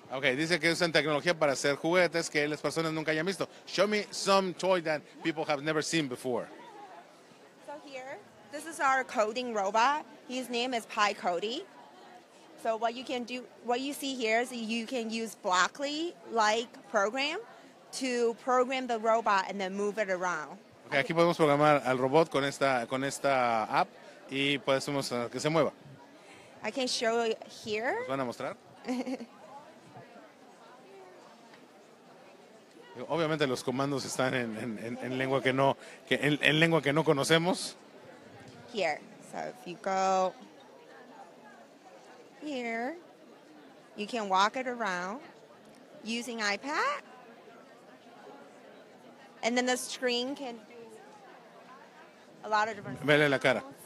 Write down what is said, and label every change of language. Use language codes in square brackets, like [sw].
[es] Okay, dice que usan tecnología para hacer juguetes que las personas nunca hayan visto. [en] Show me some toy that people have never seen before. So here, this is our coding robot. His name is Pi Cody. So what you can do, what you see here is you can use Blockly-like program to program the robot and then move it around. [es] Okay, aquí podemos programar al robot con esta app. Y podemos hacer que se mueva. [en] I can show here. [es] ¿Nos van a mostrar? Obviamente los comandos están en lengua que no conocemos. [en] here. So if you go here, you can walk it around using iPad. And then the screen can do a lot of different things. [es] Vele la cara.